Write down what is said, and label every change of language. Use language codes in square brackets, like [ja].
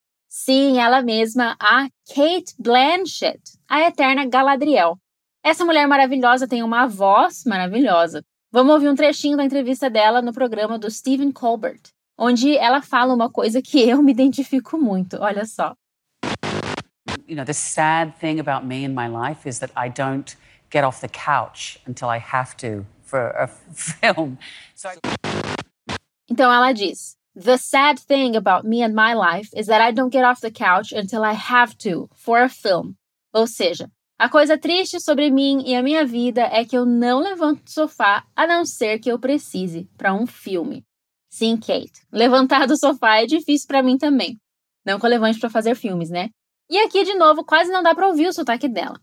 [pt] Sim, ela mesma, a Kate Blanchett, a eterna Galadriel. Essa mulher maravilhosa tem uma voz maravilhosa. Vamos ouvir um trechinho da entrevista dela no programa do Stephen Colbert, onde ela fala uma coisa que eu me identifico muito, olha só. [en] You know, the sad thing about me and my life is that I don't get off the couch until I have to for a film. [pt] Então ela diz, [en] The sad thing about me and my life is that I don't get off the couch until I have to, for a film. [pt] Ou seja, a coisa triste sobre mim e a minha vida é que eu não levanto do sofá a não ser que eu precise para um filme. Sim, Kate, levantar do sofá é difícil para mim também. Não que eu levante para fazer filmes, né? E aqui, de novo, quase não dá para ouvir o sotaque dela.